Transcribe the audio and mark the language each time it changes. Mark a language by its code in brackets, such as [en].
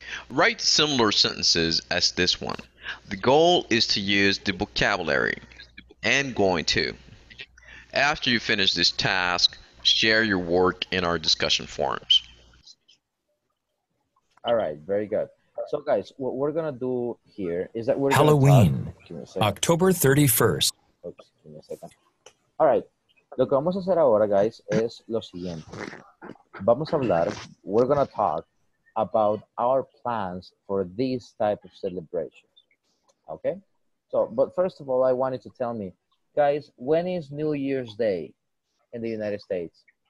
[en] Write similar sentences as this one. The goal is to use the vocabulary and going to. After you finish this task, share your work in our discussion forums. All right, very good. So guys, what we're going to do here is that we're Halloween, gonna October 31st. Oops, give me a second. All right, [es] lo que vamos a hacer ahora, guys, es lo siguiente. Vamos a hablar, [en] we're going to talk about our plans for these type of celebrations, okay? So, but first of all, I wanted to tell me, guys, when is New Year's Day in the United States?